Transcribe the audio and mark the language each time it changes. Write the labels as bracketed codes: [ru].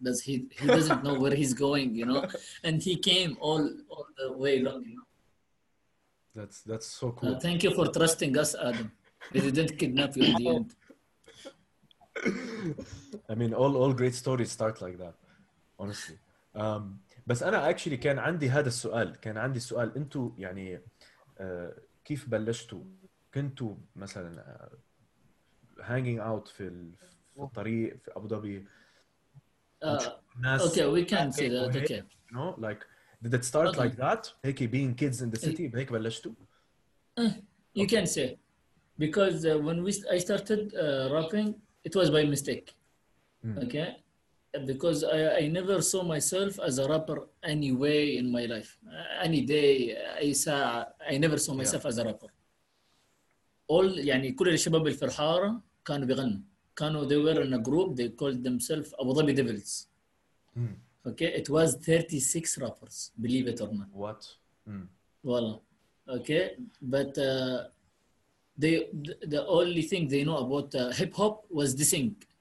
[en] He doesn't know where he's going, you know, and he came all the way long, you know. That's so cool. Thank you for trusting us, Adam. We didn't kidnap you in the end. I mean, all great stories start like that. honestly. [ar] بس انا [en] actually [ar] كان عندي هذا السؤال، كان عندي السؤال انتو يعني كيف بلشتوا؟ كنتوا مثلا [en] hanging out [ar] في الطريق في ابو ظبي؟ [en] Okay, we can say that. Okay. No, like, did it start like that? [ar] هيك [en] being kids in the city, [ar] هيك بلشتوا؟ [en] You can say. Because when I started rapping, it was by mistake. Okay? Because I never saw myself as a rapper any way in my life. Any day, [ar] أي ساعة, [en] I never saw myself as a rapper. [ar] يعني كل الشباب الفرحارة كانوا بيغنوا. كانوا, [en] they were in a group, they called themselves Abu Dhabi Devils. Mm. Okay, it was 36 rappers, believe it or not. What? [ar] Wallah. [en] Okay, but the only thing they know about hip-hop was dissing.